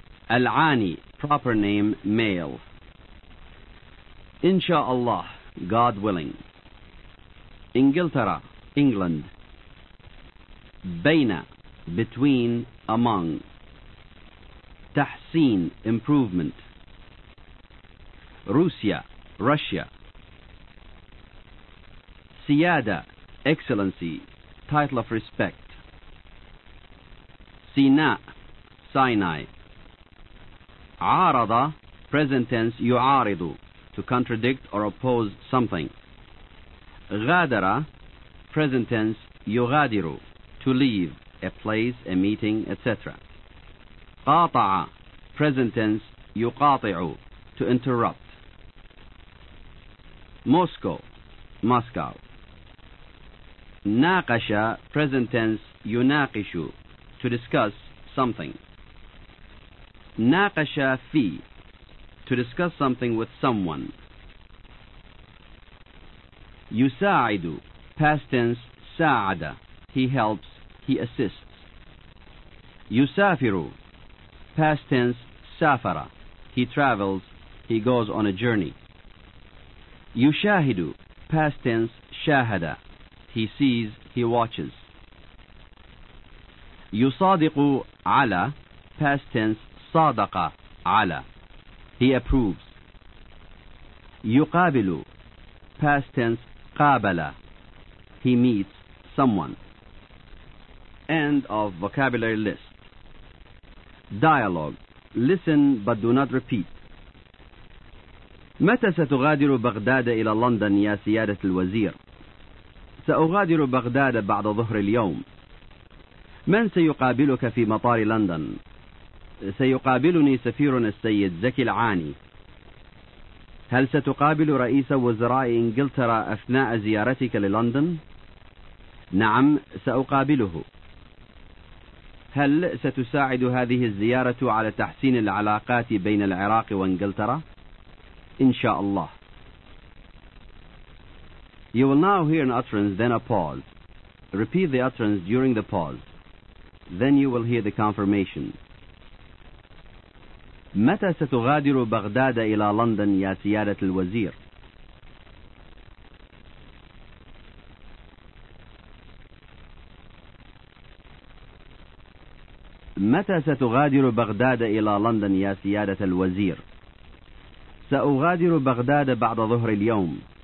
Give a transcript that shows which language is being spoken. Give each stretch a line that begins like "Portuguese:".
English: العاني, proper name, male. Inshallah, God willing. Inglaterra, England. بين, between, among. تحسين, improvement. روسيا, Russia. سيادة, excellency, title of respect. سيناء, Sinai. عارض, present tense, يعارض, to contradict or oppose something. غادر, present tense, يغادر, to leave, a place, a meeting, etc. قاطع, present tense, يقاطع, to interrupt. موسكو, Moscow. ناقش, present tense, يناقش, to discuss something. ناقش في, to discuss something with someone. يساعد, past tense, ساعد, he helps, he assists. يسافر, past tense, سافر, he travels, he goes on a journey. يشاهد, past tense, شاهد, he sees, he watches. يصادق على, past tense, صادق على, he approves. يقابل, past tense, قابل, he meets someone. End of vocabulary list. Dialogue. Listen but do not repeat.
Arabic: متى ستغادر بغداد إلى لندن يا سيادة الوزير؟ سأغادر بغداد بعد ظهر اليوم. من سيقابلك في مطار لندن؟ سيقابلني سفيرنا السيد زكي العاني. هل ستقابل رئيس وزراء إنجلترا أثناء زيارتك للندن؟ نعم سأقابله. هل ستساعد هذه الزيارة على تحسين العلاقات بين العراق وإنجلترا؟ إن شاء الله.
English: You will now hear an utterance, then a pause. Repeat the utterance during the pause. Then you will hear the confirmation.
Arabic: متى ستغادر بغداد إلى لندن يا سيادة الوزير؟ متى ستغادر بغداد إلى لندن يا سيادة الوزير؟ سأغادر بغداد بعد ظهر اليوم.